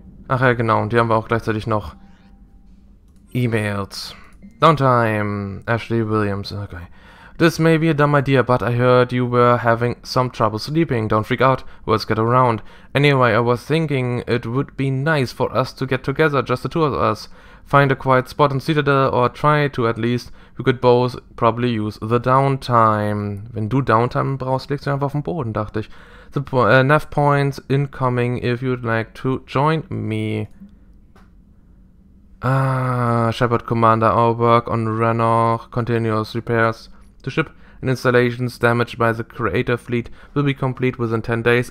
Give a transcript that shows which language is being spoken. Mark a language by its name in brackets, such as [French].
[German] Ach ja, genau, und die haben wir auch gleichzeitig noch. E-Mails. Downtime, Ashley Williams, okay. [English] This may be a dumb idea, but I heard you were having some trouble sleeping. Don't freak out, words get around. Anyway, I was thinking it would be nice for us to get together, just the two of us. Find a quiet spot in Citadel, or try to at least. We could both probably use the downtime. [German] Wenn du Downtime brauchst, legst du einfach auf den Boden, dachte ich. [English] The nav points incoming if you'd like to join me. Shepard Commander, our work on Renor, continuous repairs to ship and installations damaged by the Creator fleet will be complete within 10 days.